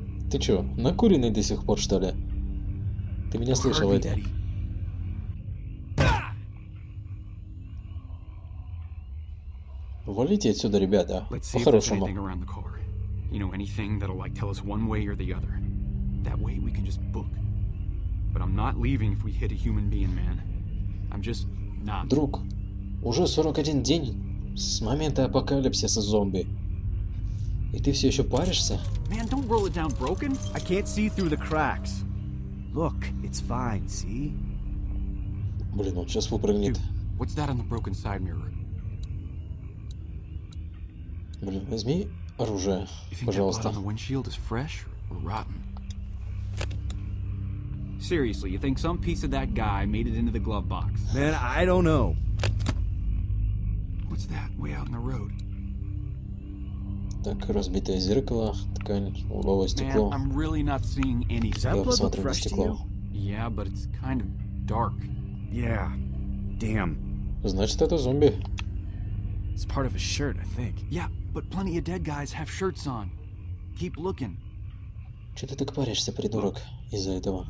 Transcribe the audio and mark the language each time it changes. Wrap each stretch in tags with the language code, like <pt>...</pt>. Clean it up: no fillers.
<ru>Ты чё, накуренный до сих пор, что ли? Ты меня слышал, Эдди? Валите отсюда, ребята, по-хорошему.</ru> <en>You know, anything that'll like tell us one way or the other. That way we can just book. But I'm not leaving if we hit a human being, man. I'm just not.</en> <ru>Друг, уже 41 день с момента апокалипсиса зомби. И ты все еще паришься?</ru> <en>Man, don't roll it down broken. I can't see through the cracks. Look, it's fine, see?</en> <ru>Блин, он сейчас выпрыгнет.</ru> <en>Dude, what's that on the broken side mirror?</en> <ru>Блин, возьми оружие, пожалуйста.</ru> <en>The windshield is fresh or rotten? Seriously, you think some piece of that guy made it into the glove box? Man, I don't know. What's that way out in the road?</en> <ru>Так, разбитое зеркало, ткань, лобовое стекло.</ru> <en>Man, I'm really not seeing any.</en> <ru>Я посмотрю на стекло.</ru> <en>Yeah, but it's kind of dark. Yeah. Damn.</en> <ru>Значит, это зомби.</ru> <en>It's part of a shirt, I think. Yeah, but plenty of dead guys have shirts on. Keep looking.</en> <ru>Че ты так паришься, придурок, из-за этого?</ru>